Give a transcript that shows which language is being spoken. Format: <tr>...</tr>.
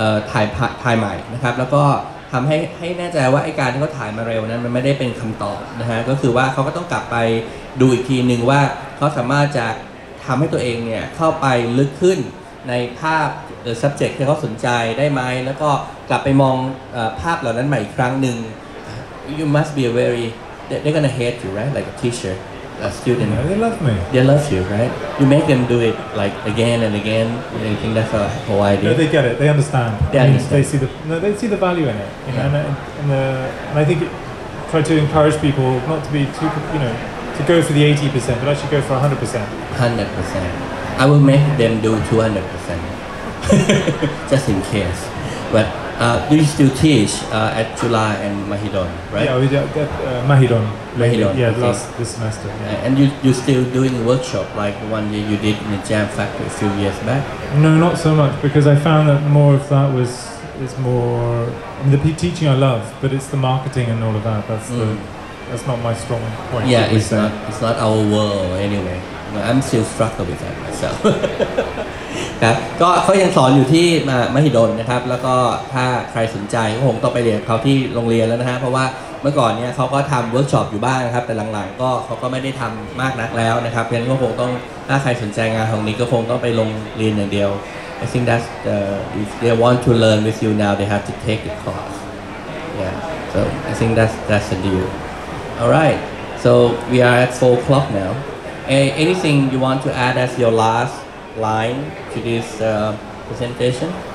<th>ถ่ายใหม่นะครับแล้วก็ทำให้แน่ใจว่าไอ้การที่เขาถ่ายมาเร็วนั้นมันไม่ได้เป็นคำตอบนะฮะก็คือว่าเขาก็ต้องกลับไปดูอีกทีนึงว่าเขาสามารถจะทำให้ตัวเองเนี่ยเข้าไปลึกขึ้นในภาพหรือ subject ที่เขาสนใจได้ไหมแล้วก็กลับไปมองภาพเหล่านั้นใหม่อีกครั้งหนึ่ง</th> <en>you must be a very they're gonna hate you right like a teacher a student they love me they love you right you make them do it like again and again you know, you think that's a whole idea no they get it they understand they, I mean, understand. They see the no, they see the value in it you know and I think it, try to encourage people not to be too you know to go for the 80% but actually go for 100% 100%I will make them do 200% just in case. But do you still teach at Chula and Mahidon, right? Yeah, we did at Mahidon. Yeah, okay. this semester. Yeah. And you still doing workshop like the one that you did in the Jam Factory a few years back? No, not so much because I found that more of that was is more I mean, the teaching I love, but it's the marketing and all of that. That's not my strong point. Yeah, it's say. Not. It's not our world anyway. I'm still struggle with that myself</en> <th>ครับก็เขายังสอนอยู่ที่มหิดลนะครับแล้วก็ถ้าใครสนใจก็คงต้องไปเรียนเขาที่โรงเรียนแล้วนะฮะเพราะว่า เมื่อก่อนเนี้ยเขาก็ทำเวิร์กช็อปอยู่บ้างครับแต่หลังๆก็เขาก็ไม่ได้ทำมากนักแล้วนะครับเพราะฉะนั้นก็คงต้องถ้าใครสนใจงานของนี้ก็คงต้องไปลงเรียนอย่างเดียว</th> <en>I think that if they want to learn with you now they have to take the course yeah so I think that's the deal all right so we are at 4 o'clock nowanything you want to add as your last line to this presentation?</en>